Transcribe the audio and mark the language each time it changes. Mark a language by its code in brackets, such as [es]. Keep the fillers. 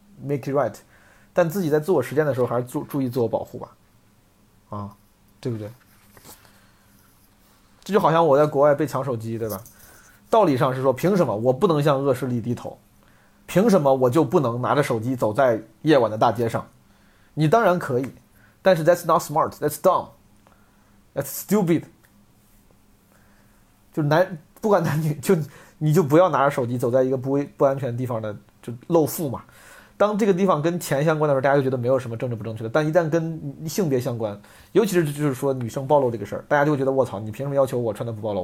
[en] Make it right， [zh] 但自己在自我实践的时候，还是注注意自我保护吧，啊，对不对？这就好像我在国外被抢手机，对吧？道理上是说，凭什么我不能向恶势力低头？凭什么我就不能拿着手机走在夜晚的大街上？你当然可以，但是 [en] That's not smart, That's dumb, That's stupid。 [zh] 就是男不管男女，就你就不要拿着手机走在一个不不安全地方的，就露富嘛。当这个地方跟钱相关的时候，大家就觉得没有什么政治不正确的。但一旦跟性别相关，尤其是就是说女生暴露这个事儿，大家就会觉得“卧槽，你凭什么要求我穿的不暴露？